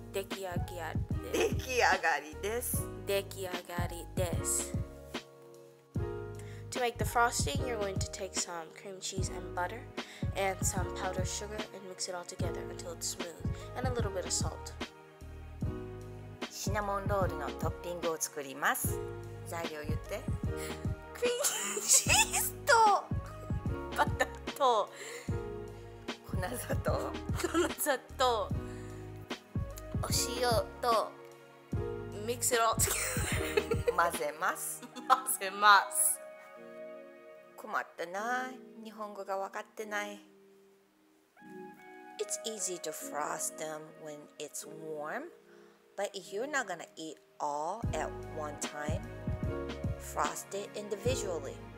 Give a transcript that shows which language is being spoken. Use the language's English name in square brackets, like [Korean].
[Japanese] 出来上がり出来上がりです。出来上がりです。 [English] To make the frosting, you're going to take some cream cheese and butter and some powdered sugar and mix it all together until it's smooth and a little bit of salt. [Japanese] シナモンロールのトッピングを作ります。材料言って。クリームチーズとバターと粉砂糖粉砂糖お塩と [English] Mix it all together. [Japanese] 混ぜます。混ぜます。困ったな。日本語が分かってない。 [English] It's easy to frost them when it's warm, but if you're not gonna eat all at one time, frost it individually.